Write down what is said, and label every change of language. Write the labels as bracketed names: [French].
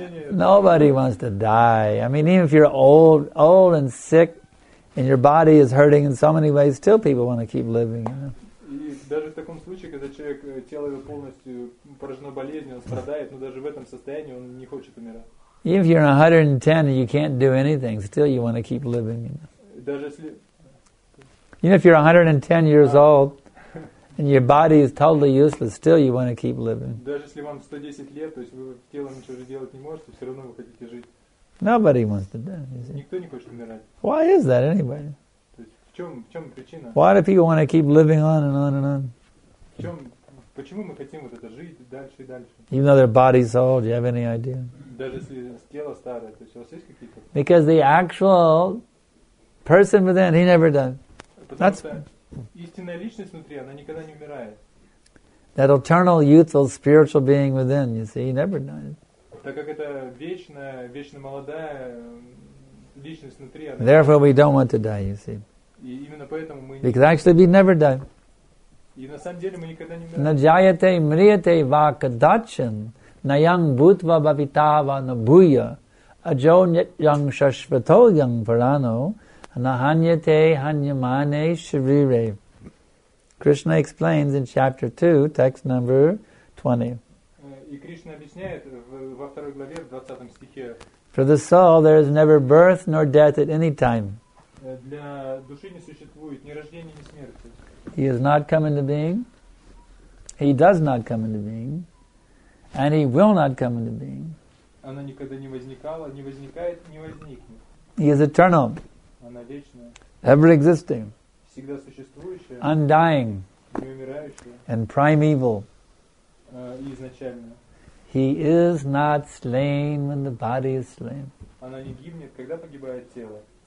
[English] Nobody wants to die. I mean, even if you're old and sick, and your body is hurting in so many ways, still people want to keep living. You know? [Russian] Даже в таком случае, когда человек, тело его полностью поражено болезнью, он страдает, но даже в этом состоянии он не хочет умирать. [English] Even if you're 110 and you can't do anything, still you want to keep living. You know? [Russian] Даже если... [English] Even if you're 110 years old and your body is totally useless, still you want to keep living. [Russian] Даже если вам 110 лет, то есть вы телом ничего же делать не можете, все равно вы хотите жить. [English] Nobody wants to die. [Russian] Никто не хочет умирать. [English] Why is that anyway? [Russian] То есть в чем причина? [English] Why do people want to keep living on and on and on? [Russian] В чем Почему мы хотим вот это жить дальше и дальше? [English] Even though their body's old, do you have any idea? [Russian] Даже если тело старое, то есть у вас есть какие-то? [English] Because the actual person within, he never died. [Russian] Потому что истинная личность внутри, она никогда не умирает. [English] That eternal youthful spiritual being within, you see, he never died. [Russian] Так как это вечная, вечно молодая личность внутри. [English] Therefore, we don't want to die, you see. [Russian] И именно поэтому мы. [English] Because actually, we never die. [Russian] И на самом деле мы никогда не умираем. [Sanskrit] Наджаяте мриете вакадачан наян бутва бавитава набуя аджо нитян шашвато ян парано наханьяте ханьямане шрире. [English] Krishna explains in chapter 2, text number 20. [Russian] И Кришна объясняет во второй главе, в 20 стихе. [English] For the soul there is never birth nor death at any time. [Russian] Для души не существует ни рождения, ни смерти. [English] He has not come into being. He does not come into being. And he will not come into being. [Russian] Она никогда не возникала, не возникает, не возникнет. [English] He is eternal. [Russian] Она вечная. [English] Ever existing. [Russian] Всегда существующая. [English] Undying. [Russian] Неумирающая. [English] And primeval. [Russian] Изначально. [English] He is not slain when the body is slain. [Russian] Она не гибнет, когда погибает тело.